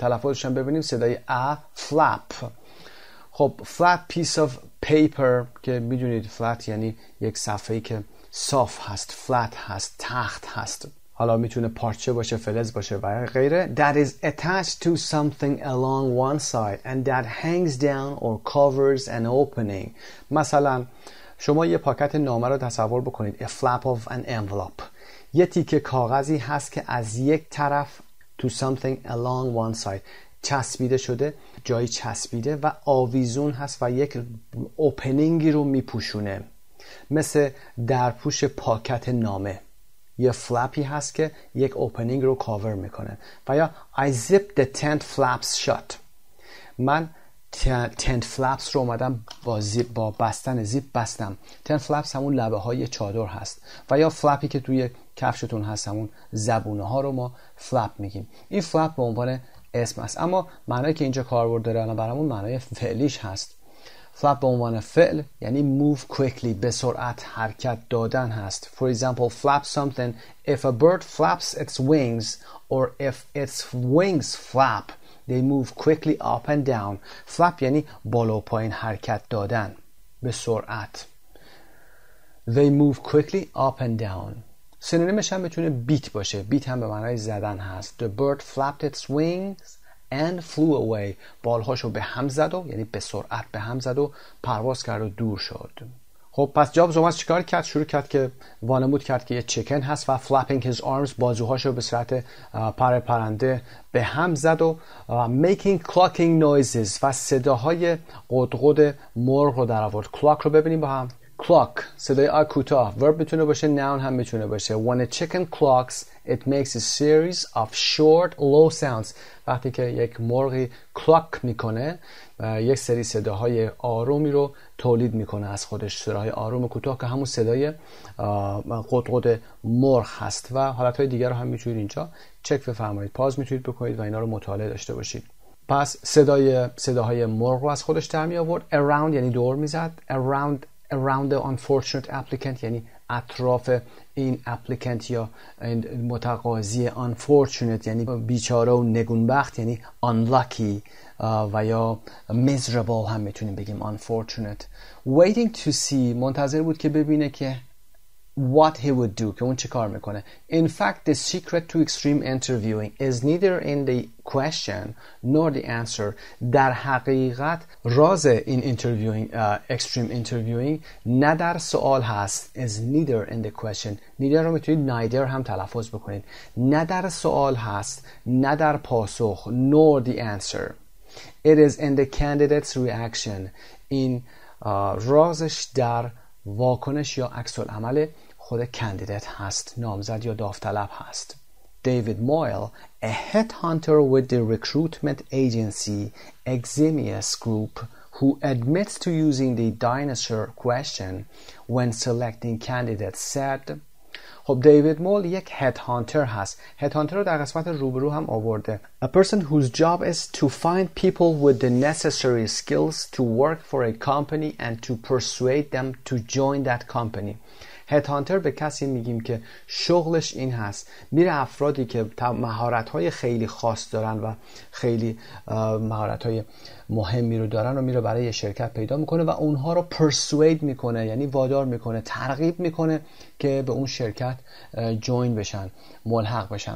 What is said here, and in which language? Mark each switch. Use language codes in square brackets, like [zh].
[fa] تلفظش هم ببینیم، صدای a flap. خب flat piece of paper که میدونید flat یعنی یک صفحه‌ای که صاف هست، flat هست، تخت هست، حالا میتونه پارچه باشه، فلز باشه و غیره. [en] that is attached to something along one side and that hangs down or covers an opening. [fa] مثلا شما یه پاکت نامه رو تصور بکنید، [en] a flap of an envelope، [fa] یه تیکه کاغذی هست که از یک طرف [en] to something along one side [fa] چسبیده شده، جایی چسبیده و آویزون هست و یک اوپنینگی رو میپوشونه، مثل درپوش پاکت نامه، یه فلپی هست که یک اوپنینگ رو کاور میکنه. و یا [en] I zipped the tent flaps shut، [fa] من tent flaps رو اومدم با زیپ، با بستن زیپ بستم. tent flaps همون لبه های چادر هست. و یا فلپی که توی کفشتون هست، همون زبونه ها رو ما فلپ میگیم. این فلپ به عنوان اسم است، اما معنایی که اینجا کاربرد داره الان برامون معنای فعلیش هست. فلپ به عنوان فعل یعنی [en] move quickly، [fa] به سرعت حرکت دادن هست. [en] For example, flap something. If a bird flaps its wings or if its wings flap, they move quickly up and down. [fa] Flap یعنی بالا و پایین حرکت دادن به سرعت. [en] They move quickly up and down. [fa] سینونیمش هم میتونه beat باشه. Beat هم به معنای زدن هست. [en] The bird flapped its wings and flew away. [fa] بالهاشو به هم زد و یعنی به سرعت به هم زد و پرواز کرد و دور شد. خب پس جابز اومد چیکار کرد؟ شروع کرد که وانمود کرد که یه چیکن هست و [en] flapping his arms، [fa] بازوهاشو به صورت پر پرنده به هم زد و [en] making clucking noises [fa] و صداهای قدقد مرغ رو در آورد. کلاک رو ببینیم با هم. Clock، صدای آکوتا. Verb میتونه باشه، noun هم میتونه باشه. [en] When a chicken clucks, it makes a series of short, low sounds. [fa] وقتی که یک مرغی کلاک میکنه، یک سری صداهای آرومی رو تولید میکنه از خودش. صداهای آروم و کوتاه که همون صدای قدقد مرغ هست. و حالتهای دیگر رو هم میتونید اینجا چک بفرمایید. پاز میتونید بکنید و اینا رو مطالعه داشته باشید. پس صداهای مرغ رو از خودش در می آورد. Around یعنی دور میزد. [en] Around the unfortunate applicant [fa] یعنی اطراف این applicant یا این متقاضی. Unfortunate یعنی بیچاره و نگونبخت، یعنی unlucky و یا miserable هم میتونیم بگیم unfortunate. Waiting to see، منتظر بود که ببینه که [en] what he would do، [fa] که اون چه کار میکنه. [en] In fact the secret to extreme interviewing is neither in the question nor the answer. [fa] در حقیقت راز این interviewing extreme interviewing نه در سوال هست. [en] Is neither in the question. [fa] Neither رو میتونید neither هم تلفظ بکنید. نه در سوال هست، نه در پاسخ. [en] Nor the answer. It is in the candidate's reaction. [fa] این رازش در واکنش یا عکس العمل خود کاندیدت هست، نامزد یا داوطلب هست. [en] David Moyle, a headhunter with the recruitment agency Eximius Group, who admits to using the dinosaur question when selecting candidates, said. [fa] خب دیوید مول یک headhunter هست. headhunter رو در قسمت روبرو هم آورده. [en] A person whose job is to find people with the necessary skills to work for a company and to persuade them to join that company. [fa] headhunter به کسی میگیم که شغلش این هست، میره افرادی که مهارت‌های خیلی خاص دارن و خیلی مهارت‌های مهمی رو دارن و میره برای یه شرکت پیدا میکنه و اونها رو پرسوید میکنه، یعنی وادار میکنه، ترغیب میکنه که به اون شرکت جوین بشن، ملحق بشن.